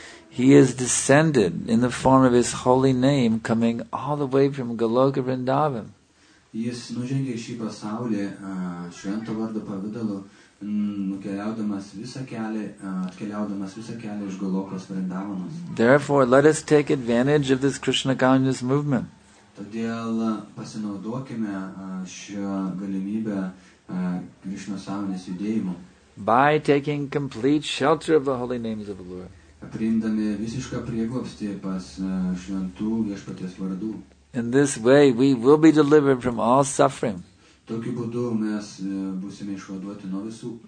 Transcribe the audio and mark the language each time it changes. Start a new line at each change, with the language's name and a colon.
English: He is descended in the form of his holy name coming all the way from Goloka Vrindavan.
Lithuanian: Jis nužengė šį pasaulį švento vardo pavidalu, keliaudamas visą kelią iš Golokos Vrindavanos.
English: Therefore, let us take advantage of this Krishna consciousness movement.
Lithuanian: Todėl pasinaudokime šią galimybę Krishna sąmonės judėjimu.
English: By taking complete shelter of the holy names of the Lord.
Lithuanian: Priimdami visišką prieglobstį pas šventų viešpaties vardų.
English: In this way, we will be delivered from all suffering.
Lithuanian: Tokiu būdu mes būsime išvaduoti nuo visų.